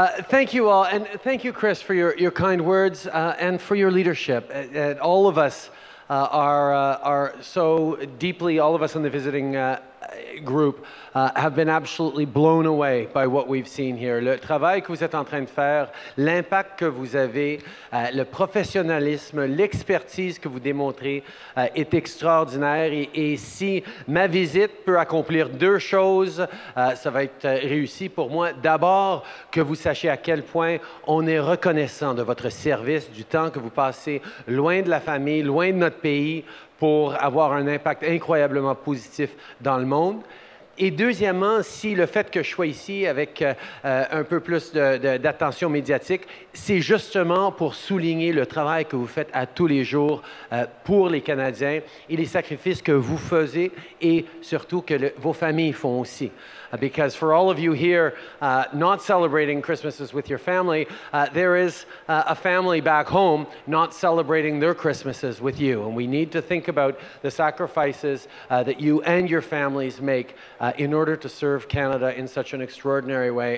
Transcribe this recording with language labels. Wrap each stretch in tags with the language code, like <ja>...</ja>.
<en>Thank you all, and thank you, Chris, for your kind words and for your leadership. And all of us are so deeply, all of us in the visiting group, have been absolutely blown away by what we've seen here.</en> <fr>Le travail que vous êtes en train de faire, l'impact que vous avez, le professionnalisme, l'expertise que vous démontrez est extraordinaire. Et si ma visite peut accomplir deux choses, ça va être réussi pour moi. D'abord, que vous sachiez à quel point on est reconnaissant de votre service, du temps que vous passez loin de la famille, loin de notre pays, pour avoir un impact incroyablement positif dans le monde. Et deuxièmement, si le fait que je sois ici avec un peu plus d'attention médiatique, c'est justement pour souligner le travail que vous faites à tous les jours pour les Canadiens et les sacrifices que vous faites et surtout que vos familles font aussi.</fr> <en>Because for all of you here not celebrating Christmases with your family, there is a family back home not celebrating their Christmases with you. And we need to think about the sacrifices that you and your families make in order to serve Canada in such an extraordinary way.</en>